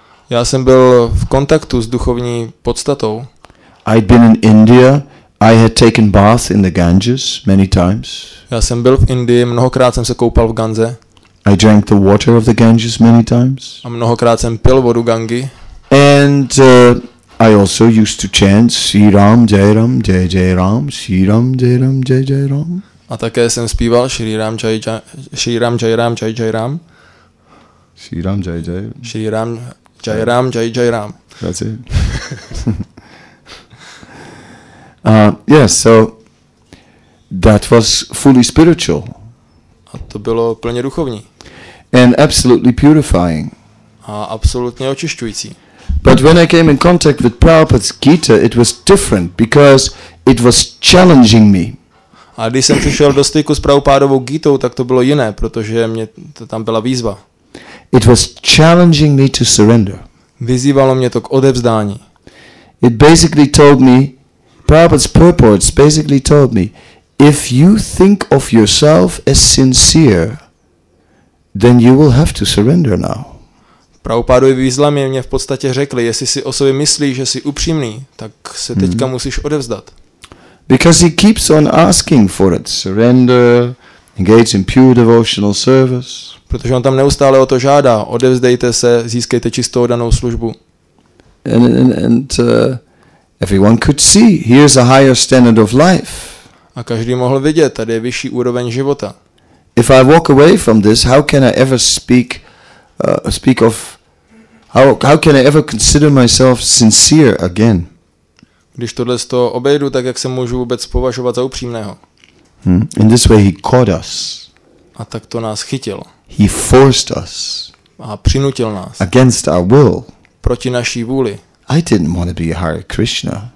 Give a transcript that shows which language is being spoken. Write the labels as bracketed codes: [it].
[cs] Já jsem byl v kontaktu s duchovní podstatou. [en] I'd been in India. I had taken bath in the Ganges many times. [cs] Já jsem byl v Indii, mnohokrát jsem se koupal v Gange. [en] I drank the water of the Ganges many times. [cs] A mnohokrát jsem pil vodu Gangy. [en] And I also used to chant Sri Ram Jai Ram Jai Jai Ram Sri Ram Jai Ram Jai Jai Ram. [cs] A také jsem zpíval Shri Ram Jai Jai Shri Ram Jai Ram Jai Jai Ram. [sa] Shri Ram Jai Jai. Shri Ram Jai Ram Jai Jai Ram. [en] That's it. So that was fully spiritual. [cs] A to bylo plně duchovní. [en] And absolutely purifying. [cs] A absolutně očišťující. [en] But when I came in contact with Prabhupada's Gita, it was different because it was challenging me. [cs] A když jsem přišel do styku s Prabhupádovou Gítou, tak to bylo jiné, protože mě to tam byla výzva. [en] It was challenging me to surrender. [cs] Vyzývalo mě to k odevzdání. [en] It basically told me, Prabhupada's purports basically told me, if you think of yourself as sincere, then you will have to surrender now. [cs] Prabhupádovy výzvy mě v podstatě řekly, jestli si o sobě myslíš, že jsi upřímný, tak se teďka musíš odevzdat. [en] Because he keeps on asking for it, surrender, engage in pure devotional service. [cs] Protože on tam neustále o to žádá, odevzdejte se, získejte čistou danou službu. [en] And everyone could see, here's a higher standard of life. [cs] A každý mohl vidět, tady je vyšší úroveň života. [en] If I walk away from this, how can I ever speak of how can I ever consider myself sincere again? [cs] Když tohle z toho obejdu, tak jak se můžu vůbec považovat za upřímného? [en] In this way he caught us. [cs] A tak to nás chytil. [en] He forced us. [cs] A přinutil nás. [en] Against our will. [cs] Proti naší vůli. [en] I didn't want to be Hare Krishna.